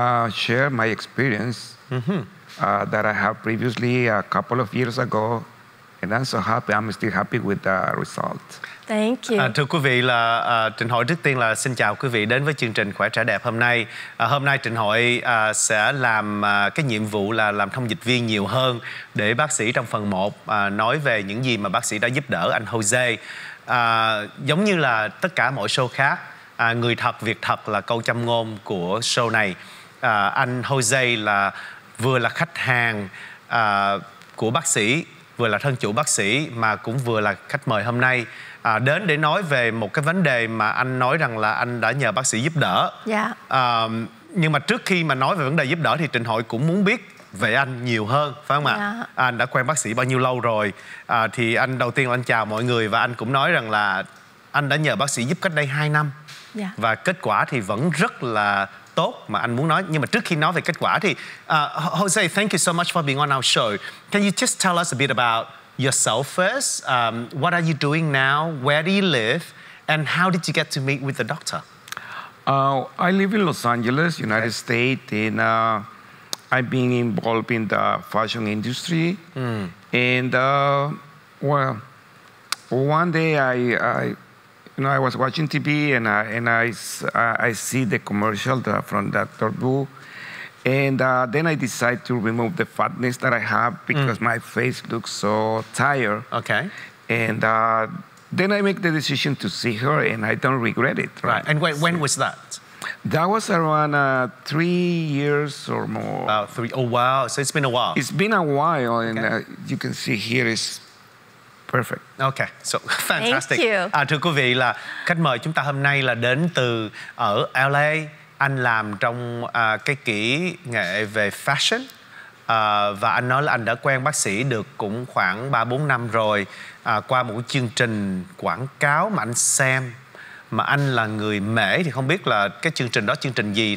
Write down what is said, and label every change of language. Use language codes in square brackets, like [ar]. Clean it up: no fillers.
[en] Share my experience that I have previously a couple of years ago. And I'm so happy, I'm still happy with the result. Thank you. [vi] Thưa quý vị, là Trịnh Hội trước tiên là xin chào quý vị đến với chương trình Khỏe Trẻ Đẹp hôm nay. Hôm nay Trịnh Hội sẽ làm cái nhiệm vụ là làm thông dịch viên nhiều hơn để bác sĩ trong phần 1 nói về những gì mà bác sĩ đã giúp đỡ anh Jose. Giống như là tất cả mọi show khác, người thật, việc thật là câu châm ngôn của show này. Anh Jose là vừa là khách hàng của bác sĩ, vừa là thân chủ bác sĩ mà cũng vừa là khách mời hôm nay đến để nói về một cái vấn đề mà anh nói rằng là anh đã nhờ bác sĩ giúp đỡ. Nhưng mà trước khi mà nói về vấn đề giúp đỡ thì Trịnh Hội cũng muốn biết về anh nhiều hơn, phải không ạ? Anh đã quen bác sĩ bao nhiêu lâu rồi? Thì anh đầu tiên là anh chào mọi người và anh cũng nói rằng là anh đã nhờ bác sĩ giúp cách đây 2 năm. Và kết quả thì vẫn rất là tốt mà anh muốn nói. Nhưng mà trước khi nói về kết quả thì Jose, [en] thank you so much for being on our show. Can you just tell us a bit about yourself first? What are you doing now? Where do you live? And how did you get to meet with the doctor? I live in Los Angeles, United States, and I've been involved in the fashion industry. And one day I was watching TV and I see the commercial from Dr. Vu, and then I decide to remove the fatness that I have because my face looks so tired. Okay. And then I make the decision to see her, and I don't regret it. Right. And when was that? That was around 3 years or more. About 3. Oh wow! So it's been a while. It's been a while, and you can see here is. Perfect. Okay, so fantastic. Thank you. [vi] Thưa quý vị, là khách mời chúng ta hôm nay là đến từ ở LA. Anh làm trong cái kỹ nghệ về fashion. Và anh nói là anh đã quen bác sĩ được cũng khoảng 3-4 năm rồi. Qua một chương trình quảng cáo mà anh xem. Mà anh là người Mễ thì không biết là cái chương trình đó chương trình gì.